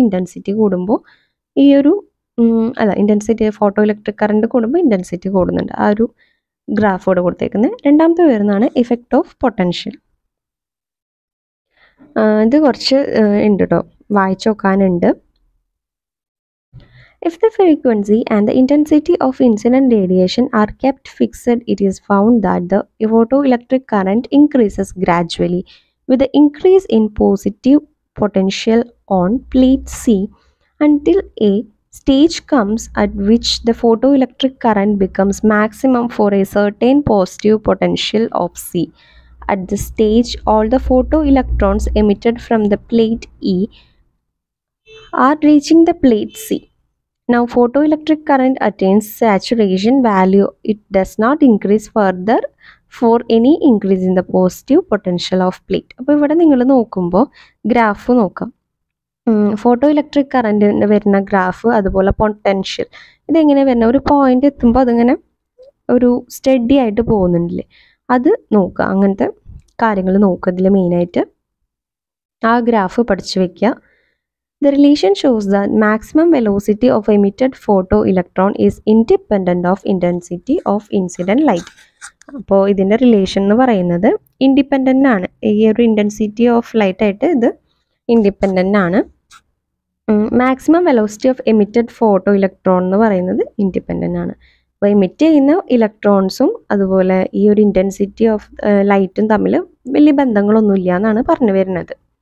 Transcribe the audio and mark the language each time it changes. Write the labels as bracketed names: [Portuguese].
[Malayalam] Intensity കൂടുമ്പോൾ ഈ ഒരു അല്ല ഇൻറ്റൻസിറ്റി ഫോട്ടോ ഇലക്ട്രിക് കറൻറ്റ് കൂടുമ്പോൾ ഇൻറ്റൻസിറ്റി കൂടുന്നുണ്ട്, ആ ഒരു ഗ്രാഫോട് കൊടുത്തേക്കുന്നത്. രണ്ടാമത്തെ വരുന്നതാണ് ഇഫക്റ്റ് ഓഫ് പൊട്ടൻഷ്യൽ. ഇത് കുറച്ച് ഉണ്ട് കേട്ടോ, വായിച്ചു നോക്കാനുണ്ട്. [English] If the frequency and the intensity of incident radiation are kept fixed, it is found that the photoelectric current increases gradually with the increase in positive potential on plate C until a stage comes at which the photoelectric current becomes maximum for a certain positive potential of C. At this stage, all the photoelectrons emitted from the plate E are reaching the plate C. Now photoelectric current attains saturation value. It does not increase further for any increase in the positive potential of plate. [Malayalam] അപ്പോൾ ഇവിടെ നിങ്ങൾ നോക്കുമ്പോൾ graph നോക്കാം. Photo electric കറൻറ്റിൻ്റെ വരുന്ന graph, അതുപോലെ potential, ഇതെങ്ങനെ വരുന്ന ഒരു പോയിൻ്റ് എത്തുമ്പോൾ അതിങ്ങനെ ഒരു സ്റ്റഡി ആയിട്ട് പോകുന്നുണ്ടല്ലേ, അത് നോക്കുക. അങ്ങനത്തെ കാര്യങ്ങൾ നോക്കുക. ഇതിൽ മെയിനായിട്ട് ആ ഗ്രാഫ് പഠിച്ചു വയ്ക്കുക. [English] The relation shows that maximum velocity of emitted photoelectron is independent of intensity of incident light. [Malayalam] അപ്പോൾ ഇതിൻ്റെ റിലേഷൻ എന്ന് പറയുന്നത് ഇൻഡിപെൻഡൻ്റ് ആണ്. ഈ ഒരു ഇൻറ്റൻസിറ്റി ഓഫ് ലൈറ്റ് ആയിട്ട് ഇത് ഇൻഡിപെൻഡൻ്റ് ആണ്. [English] maximum velocity of emitted photo electron [Malayalam] എന്ന് പറയുന്നത് ഇൻഡിപെൻഡൻ്റ് ആണ്. അപ്പോൾ എമിറ്റ് ചെയ്യുന്ന ഇലക്ട്രോൺസും അതുപോലെ ഈ ഒരു ഇൻറ്റൻസിറ്റി ഓഫ് ലൈറ്റും തമ്മിൽ വലിയ ബന്ധങ്ങളൊന്നുമില്ല എന്നാണ് പറഞ്ഞു വരുന്നത്.